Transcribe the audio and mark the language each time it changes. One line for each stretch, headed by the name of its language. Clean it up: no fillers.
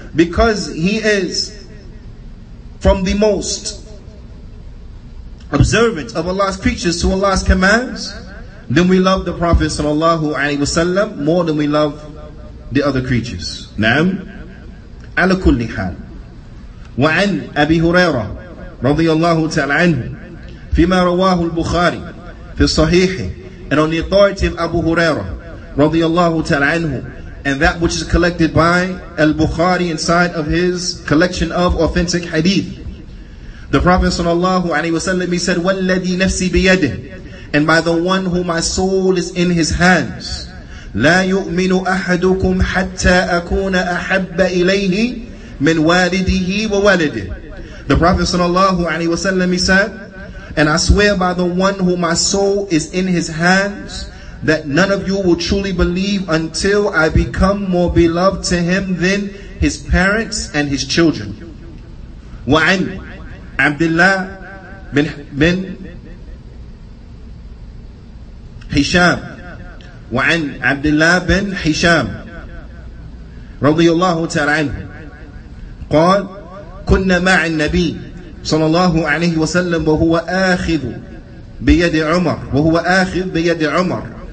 English: Because he is from the most observant of Allah's creatures to Allah's commands, then we love the Prophet sallallahu alayhi wasallam more than we love the other creatures.
Arabic: Naam. على كل حال. وعن أبي هريرة رضي الله تعالى عنه فيما رواه البخاري في الصحيح.
English: And on the authority of Abu Huraira
Arabic: رضي الله تعالى عنه,
English: and that which is collected by al-Bukhari inside of his collection of authentic hadith, the Prophet صلى الله عليه وسلم, he said,
Arabic: والذي نفسي بيده,
English: and by the one whom my soul is in his hands,
Arabic: لا يؤمن أحدكم حتى أكون أحب إليه من والده وولده.
English: The Prophet sallallahu alaihi wasallam, he said, and I swear by the one whom my soul is in his hands, that none of you will truly believe until I become more beloved to him than his parents and his children.
Arabic: وعن عبد الله بن هشام وعن عبد الله بن هشام رضي الله تعالى عنه قال كنا مع النبي صلى الله عليه وسلم وهو آخذ بيد عمر وهو آخذ بيد عمر